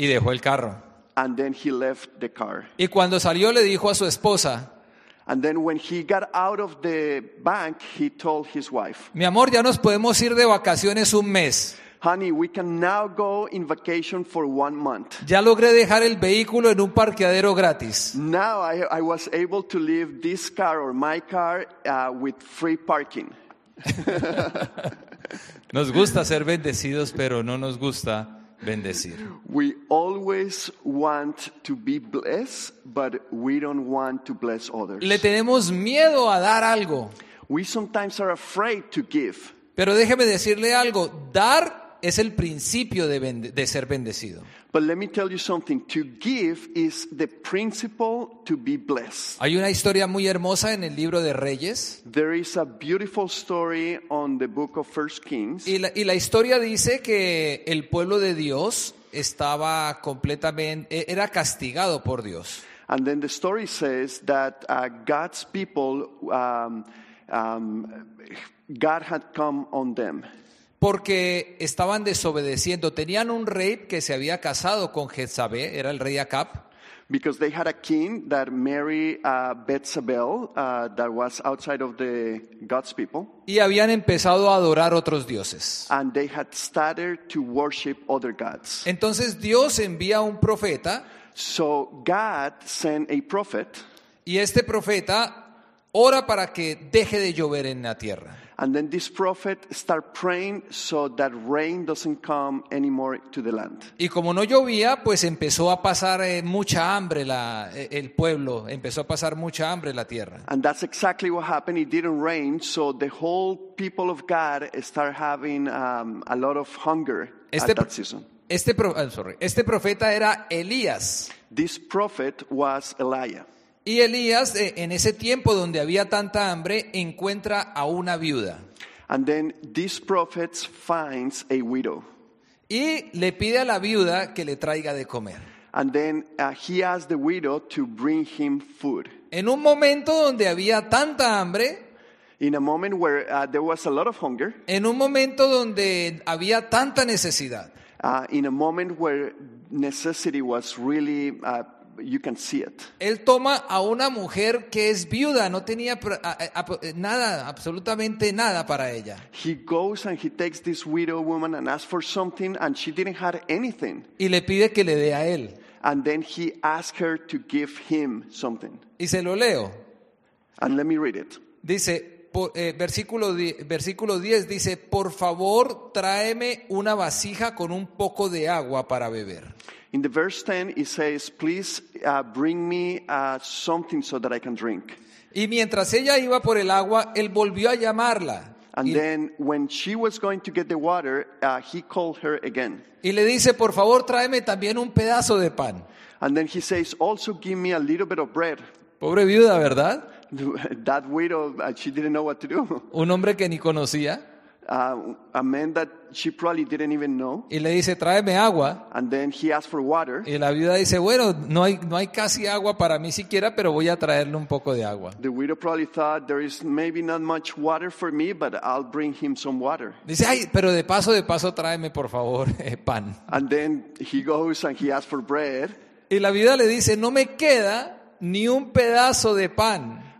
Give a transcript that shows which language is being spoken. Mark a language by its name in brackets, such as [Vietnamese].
[Spanish] Y dejó el carro. [English] And then he left the car. [Spanish] Y cuando salió le dijo a su esposa. [English] And then when he got out of the bank, he told his wife. [Spanish] Mi amor, ya nos podemos ir de vacaciones un mes. [English] Honey, we can now go in vacation for 1 month. [Spanish] Ya logré dejar el vehículo en un parqueadero gratis. [English] Now I was able to leave this car or my car with free parking. [Spanish] Nos gusta ser bendecidos, pero no nos gusta bendecir. [English] We always want to be blessed, but we don't want to bless others. [Spanish] Le tenemos miedo a dar algo. [English] We sometimes are afraid to give. [Spanish] Pero déjeme decirle algo, dar es el principio de ser bendecido. [English] But let me tell you something. To give is the principle to be blessed. [Spanish] Hay una historia muy hermosa en el libro de Reyes. [English] There is a beautiful story on the book of 1 Kings. [Spanish] Y la historia dice que el pueblo de Dios estaba completamente, era castigado por Dios. [English] And then the story says that God's people, God had come on them. [Spanish] Porque estaban desobedeciendo. Tenían un rey que se había casado con Jezabel, era el rey Acab. [English] Because they had a king that married Bezalel, that was outside of the God's people. [Spanish] Y habían empezado a adorar otros dioses. [English] And they had started to worship other gods. [Spanish] Entonces Dios envía un profeta. [English] So God sent a prophet. [Spanish] Y este profeta ora para que deje de llover en la tierra. [English] And then this prophet start praying so that rain doesn't come anymore to the land. [Spanish] Y como no llovía, pues empezó a pasar mucha hambre el pueblo, empezó a pasar mucha hambre la tierra. [English] And that's exactly what happened. It didn't rain, so the whole people of God start having a lot of hunger at that season. [Spanish] Este profeta era Elías. [English] This prophet was Elijah. [Spanish] Y Elías, en ese tiempo donde había tanta hambre, encuentra a una viuda. [English] And then this prophet finds a widow. [Spanish] Y le pide a la viuda que le traiga de comer. [English] And then he asks the widow to bring him food. [Spanish] En un momento donde había tanta hambre. [English] In a moment where there was a lot of hunger. [Spanish] En un momento donde había tanta necesidad. [English] In a moment where necessity was really you can see it. [Spanish] Él toma a una mujer que es viuda, no tenía nada, absolutamente nada para ella. [English] He goes and he takes this widow woman and asks for something and she didn't have anything. [Spanish] Y le pide que le dé a él. [English] And then he asks her to give him something. [Spanish] Y se lo leo. [English] And let me read it. [Spanish] Dice, versículo 10 dice, por favor, tráeme una vasija con un poco de agua para beber. [English] In the verse 10, it says, please bring me something so that I can drink. [Spanish] Y mientras ella iba por el agua, él volvió a llamarla. [English] And then when she was going to get the water, he called her again. [Spanish] Y le dice, por favor, tráeme también un pedazo de pan. [English] And then he says, also give me a little bit of bread. [Spanish] Pobre viuda, ¿verdad? [English] That widow, she didn't know what to do. [Spanish] Un hombre que ni conocía. [English] A man that she probably didn't even know. [Spanish] Y le dice, tráeme agua. [English] And then he asked for water. [Spanish] Y la viuda dice, bueno, no hay casi agua para mí siquiera, pero voy a traerle un poco de agua. [English] The widow probably thought there is maybe not much water for me, but I'll bring him some water. [Spanish] Dice, ay, pero de paso tráeme por favor pan. [English] And then he goes and he asks for bread. [Spanish] Y la viuda le dice, no me queda ni un pedazo de pan.